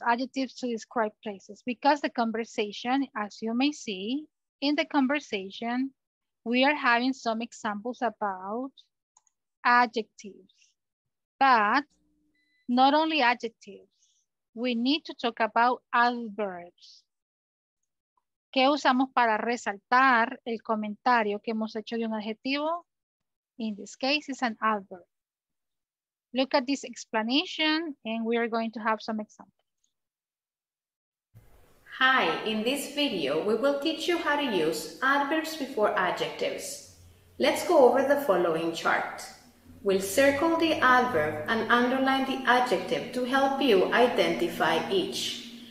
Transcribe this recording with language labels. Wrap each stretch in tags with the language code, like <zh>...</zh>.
<en>Adjectives to describe places. Because the conversation, as you may see, in the conversation, we are having some examples about adjectives, but not only adjectives. We need to talk about adverbs.</en> <es>¿Qué usamos para resaltar el comentario que hemos hecho de un adjetivo?</es> <en>In this case, it's an adverb. Look at this explanation and we are going to have some examples. Hi, in this video, we will teach you how to use adverbs before adjectives. Let's go over the following chart. We'll circle the adverb and underline the adjective to help you identify each.</en>